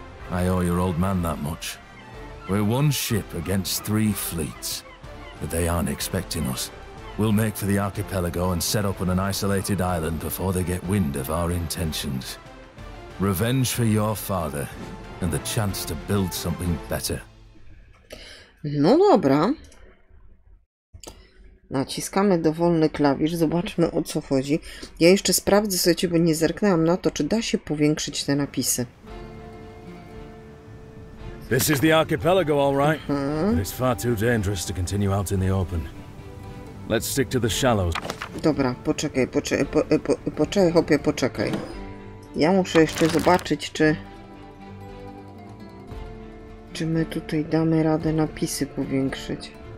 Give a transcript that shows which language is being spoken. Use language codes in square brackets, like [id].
[en] I owe your old man that much. We're one ship against three fleets, but they aren't expecting us. We'll make for the archipelago and set up on an isolated island before they get wind of our intentions. Revenge for your father and the chance to build something better. [pl] No dobra. Naciskamy dowolny klawisz, zobaczmy o co chodzi. Ja jeszcze sprawdzę sobie, bo nie zerknęłam na to, czy da się powiększyć te napisy. [en] This is the archipelago, all right. But it's far too dangerous to continue out in the open. Let's stick to the shallows. [pl] Dobra, poczekaj, poczekaj, hopie, poczekaj. Ja muszę jeszcze zobaczyć, czy my tutaj damy radę napisy powiększyć.